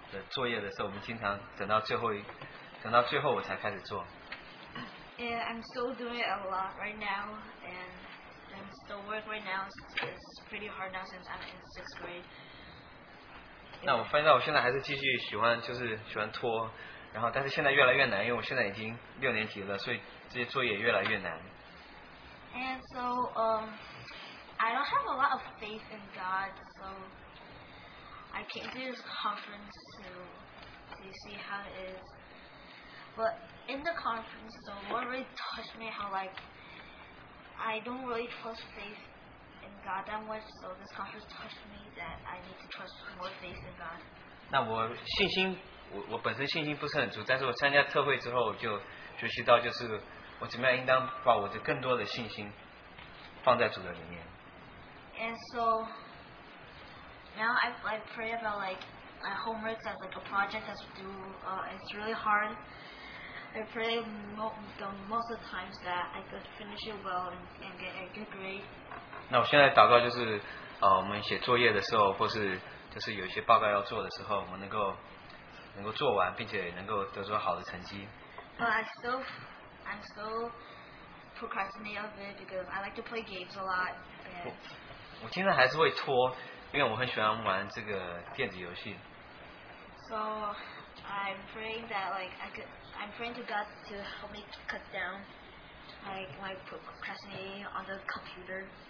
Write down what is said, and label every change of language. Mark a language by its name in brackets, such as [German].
[Chinese] 作业的时候，我们经常等到最后我才开始做。 [English] Yeah, I'm still doing it a lot right now, and I'm still working right now. It's pretty hard now since I'm in sixth grade. [Chinese] 那我发现到我现在还是继续喜欢拖，然后但是现在越来越难，因为我现在已经六年级了，所以这些作业越来越难。 [English] And so, I don't have a lot of faith in God, so. I came to this conference to see how it is. But in the conference, the Lord really touched me how, like, I don't really trust faith in God that much, so this conference touched me that I need to trust more faith in God. [Chinese] 那我信心，我本身信心不是很足，但是我参加特会之后就学习到，就是我怎么样应当把我的更多的信心放在主的里面。 [English] And so... Now I pray about like my homeworks as like a project that's due. It's really hard. I pray most of the times that I could finish it well and get a good grade. [Chinese] 那我现在祷告就是，我们写作业的时候，或是就是有一些报告要做的时候，我们能够做完，并且能够得出好的成绩。 [English] But I'm still procrastinate a bit because I like to play games a lot. And [Chinese] 我经常还是会拖。因为我很喜欢玩这个电子游戏。 [English] So I'm praying that like I could, I'm praying to God to help me cut down like my procrastinating on the computer.